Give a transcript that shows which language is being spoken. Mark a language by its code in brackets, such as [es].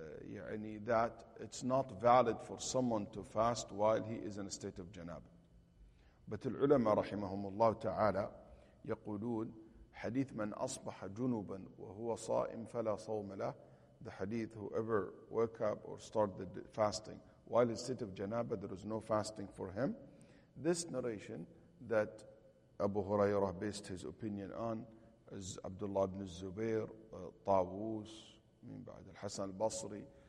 [en] يعني that it's not valid for someone to fast while he is in a state of janabah. But [ar] العلماء رحمهم الله تعالى يقولون حديث من أصبح جنوبا وهو صائم فلا صوم له. [en] The hadith, whoever woke up or started the fasting while in state of janabah, there is no fasting for him. This narration that Abu Hurairah based his opinion on is Abdullah ibn Zubair, Tawus, Hassan al-Basri.